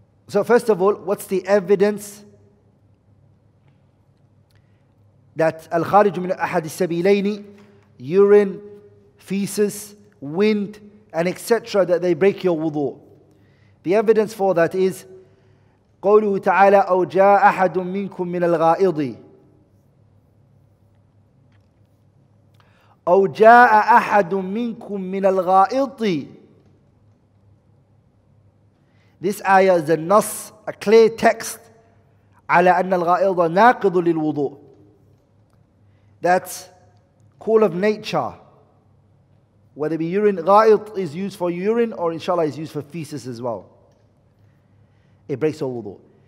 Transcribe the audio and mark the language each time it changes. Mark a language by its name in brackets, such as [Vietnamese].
[English] So first of all, what's the evidence that al-kharij min ahad al-sabilayni, urine, feces, wind and etc., that they break your wudu? The evidence for that is [Arabic] قوله تعالى أو جاء أحد منكم من الغائض أو جاء أحد منكم من الغائض. [English] This ayah is a nas, a clear text, [Arabic] على أن الغائض ناقض للوضوء. [English] That call of nature, whether it be urine, غائض is used for urine or inshallah is used for feces as well. It breaks all wudu.